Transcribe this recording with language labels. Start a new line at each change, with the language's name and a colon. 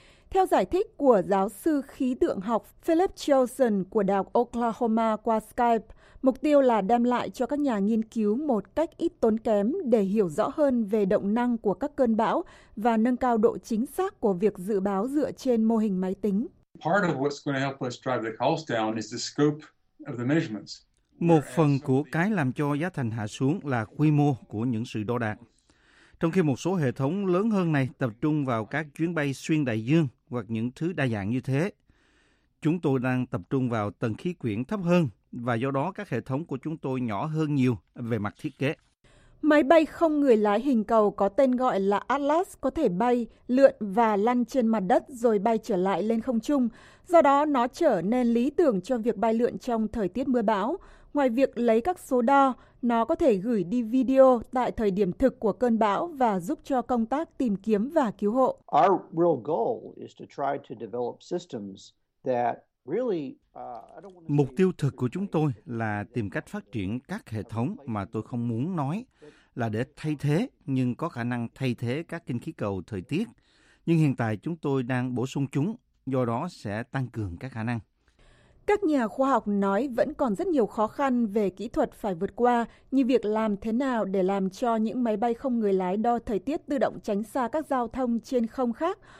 Vietnamese: Theo giải thích của giáo sư khí tượng học Philip Chilson của Đại học Oklahoma qua Skype, mục tiêu là đem lại cho các nhà nghiên cứu một cách ít tốn kém để hiểu rõ hơn về động năng của các cơn bão và nâng cao độ chính xác của việc dự báo dựa trên mô hình máy tính.
English: Part of what's going to help us drive the cost down is the scope of the measurements.
Vietnamese: Một phần của cái làm cho giá thành hạ xuống là quy mô của những sự đo đạc. Trong khi một số hệ thống lớn hơn này tập trung vào các chuyến bay xuyên đại dương hoặc những thứ đa dạng như thế, chúng tôi đang tập trung vào tầng khí quyển thấp hơn và do đó các hệ thống của chúng tôi nhỏ hơn nhiều về mặt thiết kế. Máy bay không người lái hình cầu có tên gọi là Atlas có thể bay, lượn và lăn trên mặt đất rồi bay trở lại lên không trung. Do đó, nó trở nên lý tưởng cho việc bay lượn trong thời tiết mưa bão. ngoài việc lấy các số đo, nó có thể gửi đi video tại thời điểm thực của cơn bão và giúp cho công tác tìm kiếm và cứu hộ.
English: Our real goal is to try to develop systems that really
Vietnamese: Mục tiêu thực của chúng tôi là tìm cách phát triển các hệ thống mà tôi không muốn nói là để thay thế, nhưng có khả năng thay thế các kinh khí cầu thời tiết. Nhưng hiện tại chúng tôi đang bổ sung chúng, do đó sẽ tăng cường các khả năng. Các nhà khoa học nói vẫn còn rất nhiều khó khăn về kỹ thuật phải vượt qua, như việc làm thế nào để làm cho những máy bay không người lái đo thời tiết tự động tránh xa các giao thông trên không khác.